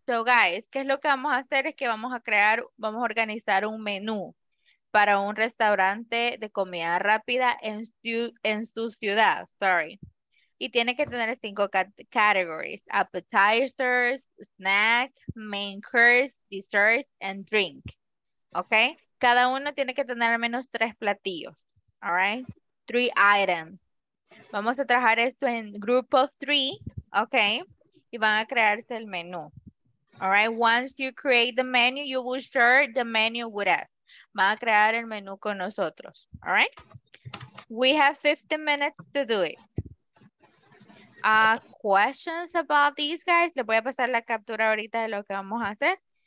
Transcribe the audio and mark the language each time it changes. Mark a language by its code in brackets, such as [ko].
[es] So guys, ¿qué es lo que vamos a hacer? Es que vamos a organizar un menú para un restaurante de comida rápida en su ciudad, Y tiene que tener 5 [en] categories: appetizers, snack, main course, dessert, and drink. Okay? [es] Cada uno tiene que tener al menos 3 platillos. [en] All right? 3 items. [es] Vamos a trabajar esto en [en] group of 3, okay? [es] Y van a crearse el menú. [en] All right, once you create the menu, you will share the menu with us. [es] Van a crear el menú con nosotros, [en] all right? We have 15 minutes to do it. Questions about these, guys? [es] Les voy a pasar la captura ahorita de lo que vamos a hacer.